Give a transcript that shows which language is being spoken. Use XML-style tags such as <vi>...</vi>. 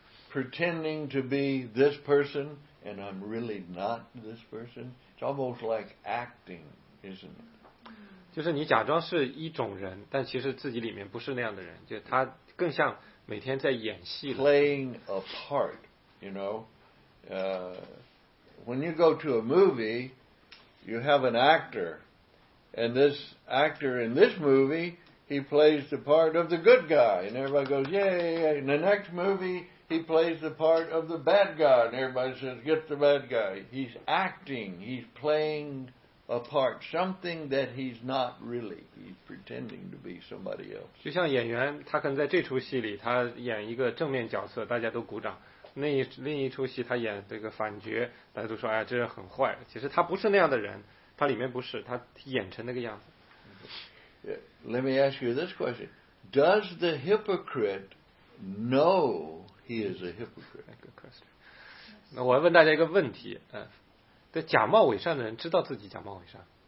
<en>Pretending to be this person and I'm really not this person. It's almost like acting, isn't it?</en> <zh>就是你假装是一种人，但其实自己里面不是那样的人，就他更像每天在演戏了。</zh> <en>Playing a part, you know. When you go to a movie, you have an actor. And this actor in this movie, he plays the part of the good guy. And everybody goes, yay, yay, yay. In the next movie, he plays the part of the bad guy. And everybody says, get the bad guy. He's acting. He's playing a part, something that he's not really. He's pretending to be somebody else.</en> <zh>就像演员，他可能在这出戏里，他演一个正面角色，大家都鼓掌。另一出戏，他演这个反角，大家都说，哎，这人很坏。其实他不是那样的人，他里面不是，他演成那个样子。</zh> <en>Let me ask you this question. Does the hypocrite know he is a hypocrite? Good question.</en> <zh>那我要问大家一个问题，假冒伪善的人知道自己假冒伪善。</zh>